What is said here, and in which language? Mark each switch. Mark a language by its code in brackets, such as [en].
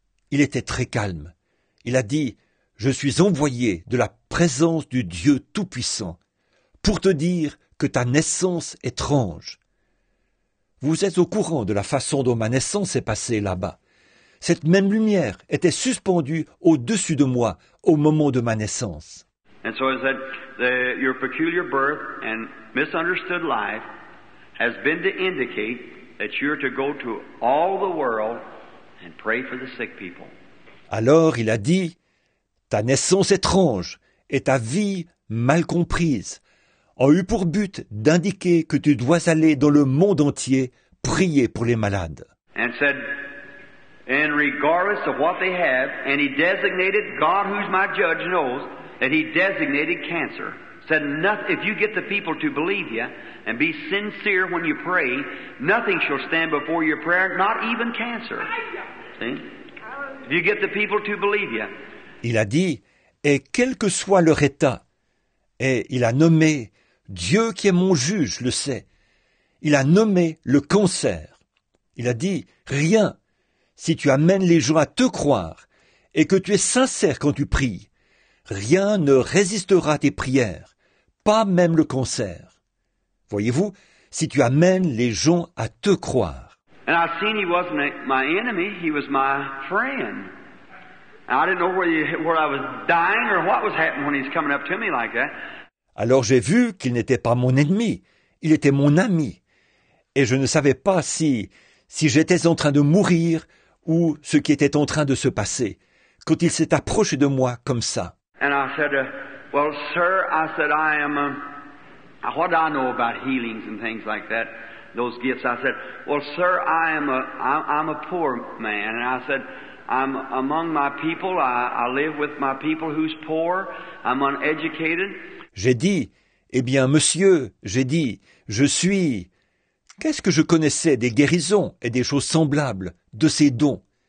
[fr] Il était très calme. Il a dit, je suis envoyé de la présence du Dieu Tout-Puissant pour te dire que ta naissance est étrange. Vous êtes au courant de la façon dont ma naissance est passée là-bas. Cette même lumière était suspendue au-dessus de moi au moment de ma naissance. [en] And so is that your peculiar birth and misunderstood life has been to indicate that you're to go to all the world and pray for the sick people. [fr] Alors il a dit, ta naissance étrange et ta vie mal comprise ont eu pour but d'indiquer que tu dois aller dans le monde entier prier pour les malades. [en] And said, and regardless of what they have, and he designated, God who's my judge knows, that he designated cancer. Said, nothing, if you get the people to believe you and be sincere when you pray, nothing shall stand before your prayer, not even cancer. See? If you get the people to believe you. [fr] Il a dit, et quel que soit leur état, et il a nommé, Dieu qui est mon juge le sait, il a nommé le cancer. Il a dit, rien, si tu amènes les gens à te croire et que tu es sincère quand tu pries, rien ne résistera à tes prières, pas même le cancer. Voyez-vous, si tu amènes les gens à te croire. [en] And I seen he wasn't my enemy, he was my friend. And I didn't know where I was dying or what was happening when he's coming up to me like that. [fr] Alors j'ai vu qu'il n'était pas mon ennemi, il était mon ami. Et je ne savais pas si j'étais en train de mourir ou ce qui était en train de se passer quand il s'est approché de moi comme ça. [en] And I said, well, sir, I said, I am, what do I know about healings and things like that, those gifts? I said, well, sir, I'm a poor man. And I said, I'm among my people, I live with my people who's poor, I'm uneducated. [fr] J'ai dit, eh bien, monsieur, j'ai dit, je suis, qu'est-ce que je connaissais des guérisons et des choses semblables, de ces dons?